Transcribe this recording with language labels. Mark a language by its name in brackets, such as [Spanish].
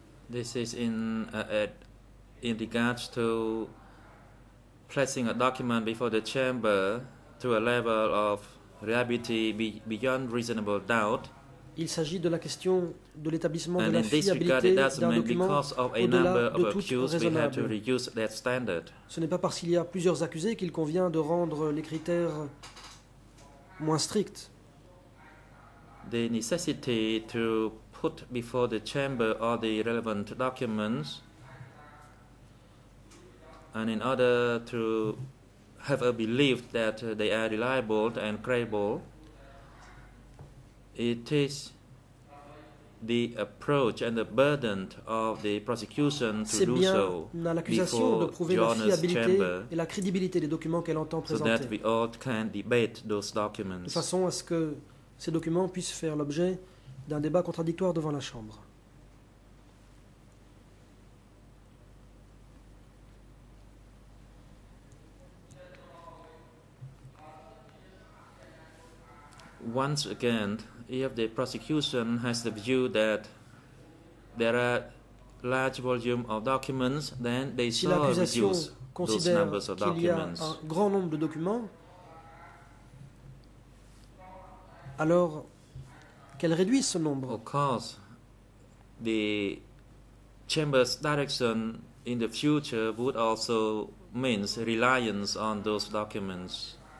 [English] This is in regards to placing a document before the chamber to a level of reliability beyond reasonable doubt. [French] Il s'agit de la question de l'établissement de la fiabilité d'un document au-delà de toute raisonnable. Ce n'est pas parce qu'il y a plusieurs accusés qu'il convient de rendre les critères moins stricts. [English] The necessity to put before the chamber all the relevant documents and in order to have a belief that they are reliable and credible, it is the approach and the burden of the prosecution to do [French] bien [English] so [French] à l'accusation de prouver la fiabilité et la crédibilité des documents qu'elle entend présenter. [English] So that we all can debate those documents. [French] De façon à ce que ces documents puissent faire l'objet d'un débat contradictoire devant la Chambre. [English] Once again, if the prosecution has the view that there are large volume of documents, then they [French] si [English] shall reduce those numbers of documents. [French] Y a un grand nombre de documents, alors qu'elle réduise ce nombre. [English] Of course, the chamber's direction in the future would also mean reliance on those documents.